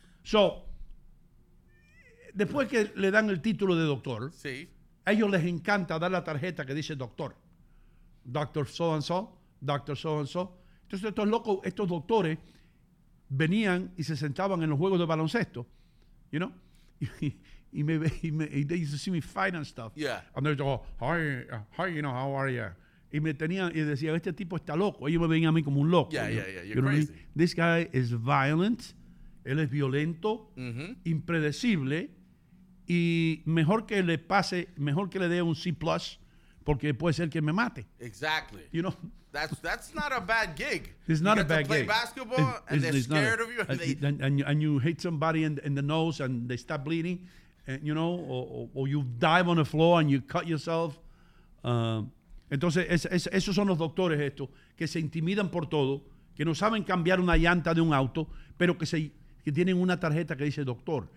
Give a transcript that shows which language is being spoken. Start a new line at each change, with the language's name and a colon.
Spanish: So, después que le dan el título de doctor, sí. a ellos les encanta dar la tarjeta que dice doctor.
English: Doctor so-and-so, doctor so-and-so.
Spanish: Entonces, estos locos, estos doctores, venían y se sentaban en los juegos de baloncesto.
English: You know? Y they used to see me fighting and stuff. Yeah. And they'd go, hi, you know, how are you?
Spanish: Y me tenían, y decían, este tipo está loco. Ellos me veían a mí como un loco.
English: Yeah, you know? Yeah, yeah, you're you crazy. Know what I mean? This guy is violent.
Spanish: Él es violento, mm-hmm. impredecible. Y mejor que le dé un C+, porque puede ser que me mate.
English: Exactly. You know? That's not a bad gig. It's not a bad gig. You get to play basketball, and they're scared of you. And you hit somebody in the nose, and they stop bleeding. And, you know, or you dive on the floor and you cut yourself.
Spanish: Entonces, esos son los doctores estos que se intimidan por todo, que no saben cambiar una llanta de un auto, pero que tienen una tarjeta que dice doctor.